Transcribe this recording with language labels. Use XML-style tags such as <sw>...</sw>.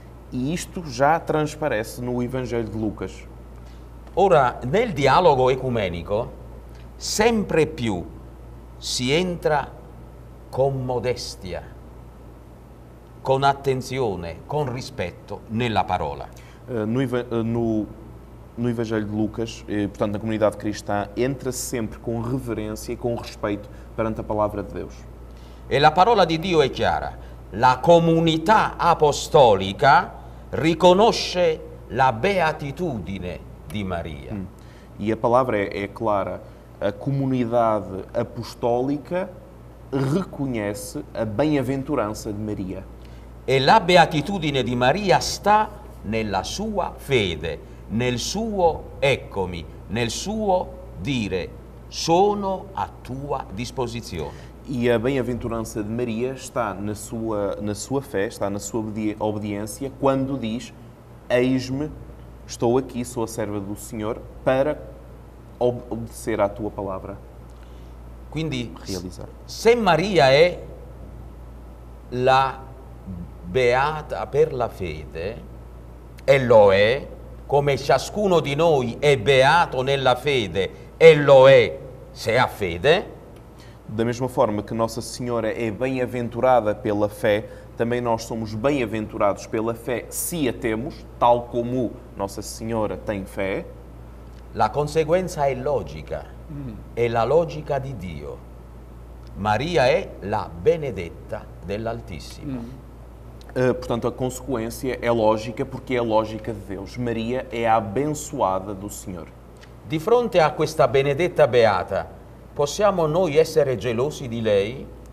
<pt>E isto já transparece no Evangelho de Lucas.</pt> <it>Ora, nel dialogo ecumenico, sempre più si entra con modestia, con attenzione, con rispetto nella parola.</it> <pt>No Evangelho de Lucas, portanto, na comunidade cristã, entra sempre com reverência e com respeito perante a palavra de Deus. E a palavra de Deus é clara. A comunidade apostólica reconhece a beatitude de Maria. E a palavra é clara. A comunidade apostólica reconhece a bem-aventurança de Maria. E a beatitude de Maria está na sua</pt> <it>fede. Nel suo eccomi, nel suo dire, sono a tua disposizione.</it> <pt>E a bem-aventurança de Maria está na sua fé, está na sua obediência, quando diz, eis-me, estou aqui, sou a serva do Senhor, para obedecer à tua palavra.</pt> <it>Quindi,</it> <pt>realizar.</pt> <it>Se Maria é la beata per la fede, e lo è, come ciascuno di noi è beato nella fede e lo è se ha fede.</it> <pt>Da mesma forma que Nossa Senhora é bem-aventurada pela fé, também nós somos bem-aventurados pela fé se a temos, tal como Nossa Senhora tem fé.</pt> <it>La conseguenza è logica, è la logica di Dio. Maria è la benedetta dell'Altissimo.</it> <pt>Portanto, a consequência é lógica, porque é a lógica de Deus. Maria é a abençoada do Senhor.</pt> <it>Di fronte a questa benedetta beata, possiamo noi essere gelosi di lei?</it>